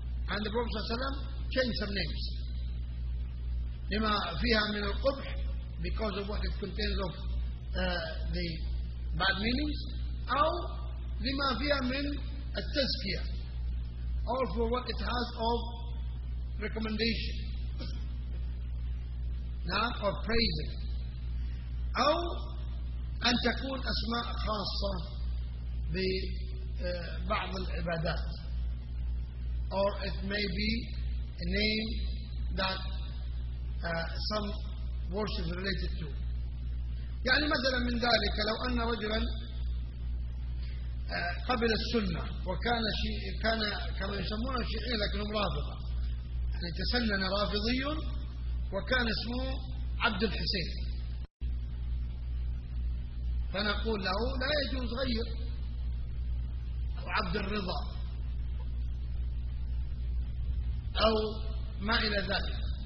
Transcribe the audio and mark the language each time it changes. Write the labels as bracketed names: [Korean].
[English] And the Prophet صلى الله عليه وسلم changed some names. [Arabic] لما فيها من القبح, [English] because of what it contains of the bad meanings, [Arabic] أو لما فيها من التزكية, [English] or for what it has of recommendation. Or praising. [Arabic] أو أن تكون أسماء خاصة ببعض العبادات. [English] Or it may be a name that some worship is related to. [Arabic] يعني مثلا من ذلك لو أن رجلا قبل السنة وكان كان كما يسمونه شيعي لكنهم رافضة. يعني تسنن رافضي وكان اسمه عبد الحسين, فنقول له لا يجوز غير, أو عبد الرضا أو ما إلى ذلك,